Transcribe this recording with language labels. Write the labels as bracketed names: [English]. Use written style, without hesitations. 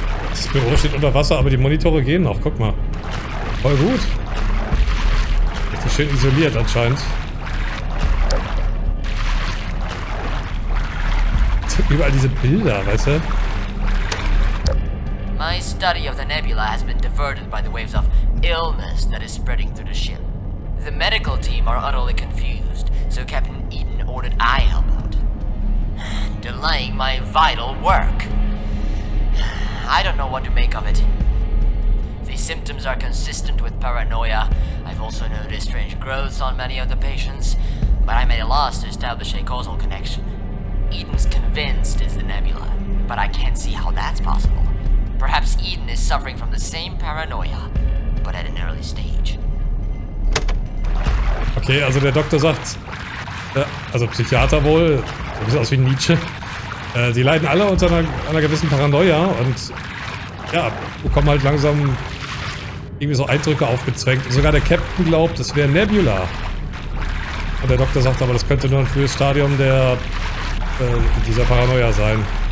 [German] Das Büro steht unter Wasser, aber die Monitore gehen noch. Guck mal. Voll gut. Richtig schön isoliert anscheinend. Überall diese Bilder, weißt du? [English] My study of the nebula has been diverted by the waves of illness that is spreading through the ship. The medical team are utterly confused, so Captain Eden ordered I help out. Delaying my vital work. I don't know what to make of it. The symptoms are consistent with paranoia. I've also noticed strange growths on many of the patients, but I'm at a loss to establish a causal connection. Eden's convinced it's the nebula, but I can't see how that's possible. Perhaps Eden is suffering from the same paranoia, but at an early stage. [German] Okay, also der Doktor sagt, also Psychiater wohl, so ein bisschen aus wie Nietzsche. Die leiden alle unter einer gewissen Paranoia und ja, bekommen halt langsam irgendwie so Eindrücke aufgezwängt. Sogar der Captain glaubt, es wäre Nebula. Und der Doktor sagt aber, das könnte nur ein frühes Stadium der dieser Paranoia sein.